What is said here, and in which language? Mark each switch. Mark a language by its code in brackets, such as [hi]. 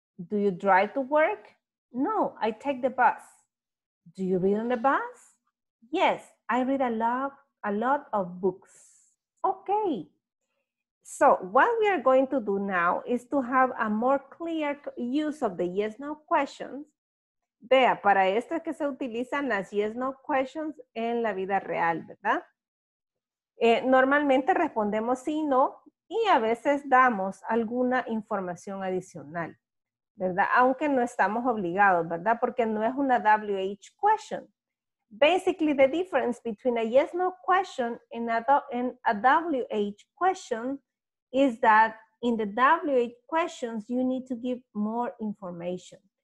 [en] Do you drive to work? No, I take the bus. Do you read on the bus? Yes, I read a lot of books. Okay. So what we are going to do now is to have a more clear use of the yes, no questions. [es] Vea, para esto es que se utilizan las yes, no questions en la vida real, ¿verdad? Normalmente respondemos sí, no, y a veces damos alguna información adicional, ¿verdad? Aunque no estamos obligados, ¿verdad? Porque no es una WH question. [en] Basically, the difference between a yes, no question and a WH question is that in the WH questions, you need to give more information.